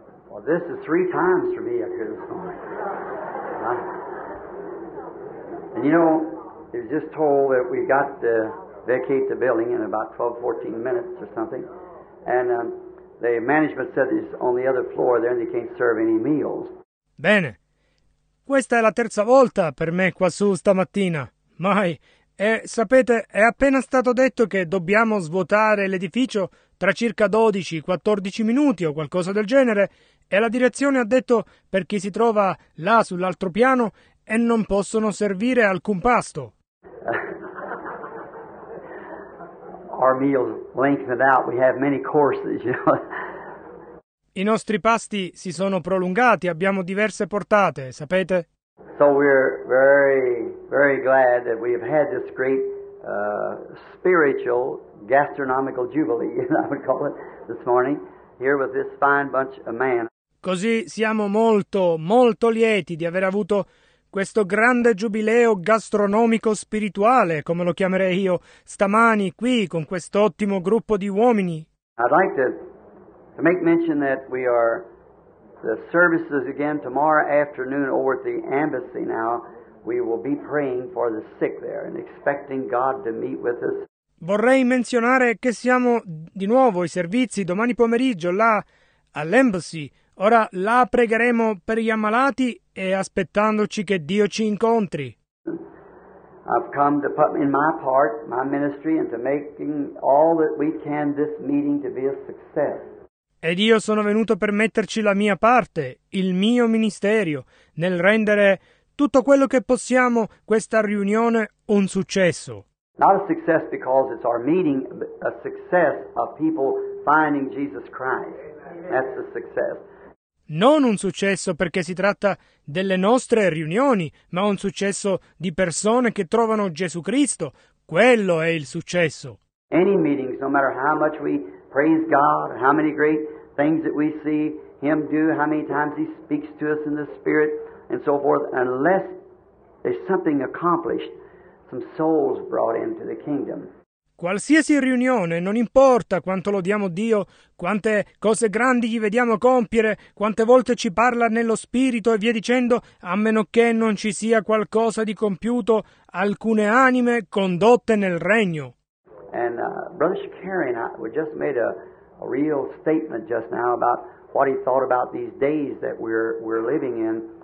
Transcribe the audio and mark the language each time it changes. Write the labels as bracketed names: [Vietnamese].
[English] Well, this is three times for me up here this morning. And you know, it was just told that we got to vacate the building in about 12, 14 minutes or something. And the management said it's on the other floor there and they can't serve any meals. [Italian] Bene. Questa è la terza volta per me qua su stamattina. Mai. E sapete, è appena stato detto che dobbiamo svuotare l'edificio tra circa 12-14 minuti o qualcosa del genere, e la direzione ha detto per chi si trova là sull'altro piano e non possono servire alcun pasto. [English] Our meals lengthened out, we have many courses, you know. [Italian] I nostri pasti si sono prolungati, abbiamo diverse portate, sapete? [English] So we're very, very glad that we have had this great spiritual gastronomical jubilee, I would call it, this morning, here with this fine bunch of men. [Italian] Così siamo molto, molto lieti di aver avuto questo grande giubileo gastronomico spirituale, come lo chiamerei io, stamani qui con questo ottimo gruppo di uomini. [English] I'd like to make mention that we are... the services again tomorrow afternoon over at the embassy now. We will be praying for the sick there and expecting God to meet with us. [Italian] Vorrei menzionare che siamo di nuovo i servizi domani pomeriggio là all'embassy. Ora là pregheremo per gli ammalati e aspettandoci che Dio ci incontri. [English] I've come to put in my part, my ministry, and to making all that we can this meeting to be a success. [Italian] Ed io sono venuto per metterci la mia parte, il mio ministero, nel rendere tutto quello che possiamo questa riunione un successo. [English] Not a success because it's our meeting, a success of people finding Jesus Christ. That's the success. [Italian] non un successo perché si tratta delle nostre riunioni, ma un successo di persone che trovano Gesù Cristo. Quello è il successo. [English] Any meetings, no matter how much we praise God, how many great things that we see Him do, how many times He speaks to us in the Spirit, and so forth, unless there's something accomplished, some souls brought into the kingdom. [Italian] Qualsiasi riunione, non importa quanto lodiamo Dio, quante cose grandi gli vediamo compiere, quante volte ci parla nello Spirito e via dicendo, a meno che non ci sia qualcosa di compiuto, alcune anime condotte nel Regno. [English] And Brother Shakarian, we just made a real statement just now about what he thought about these days that we're living in.